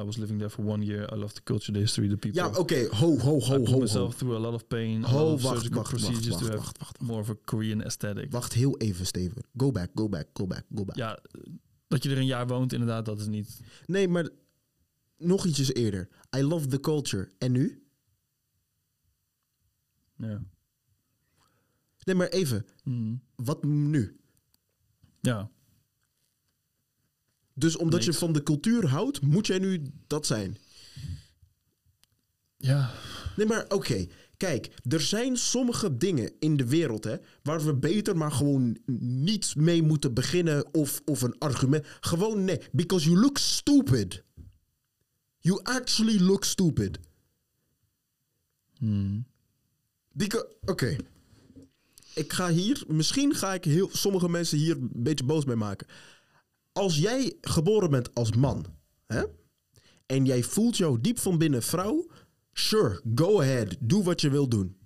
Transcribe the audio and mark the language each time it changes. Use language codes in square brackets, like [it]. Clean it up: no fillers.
[en] I was living there for 1 year. I love the culture, the history, the people. [nl] Ja, oké. Ho. [en] I put myself through a lot of pain. [nl] Wacht. [en] More of a Korean aesthetic. [nl] Wacht heel even, Steven. [en] Go back. [nl] Ja, dat je er een jaar woont, inderdaad, dat is niet... Nee, maar nog ietsjes eerder. [en] I love the culture. [nl] En nu? Ja. Nee, maar even. Mm. Wat nu? Ja. Dus omdat je van de cultuur houdt, moet jij nu dat zijn? Ja. Nee, maar oké. Kijk, er zijn sommige dingen in de wereld, hè, waar we beter maar gewoon niet mee moeten beginnen of een argument. Gewoon nee, [en] because you look stupid. You actually look stupid. Hmm. [nl] Oké. Ik ga hier, misschien ga ik heel sommige mensen hier een beetje boos mee maken. Als jij geboren bent als man, hè, en jij voelt jou diep van binnen vrouw, [en] sure, go ahead, [nl] doe wat je wil doen.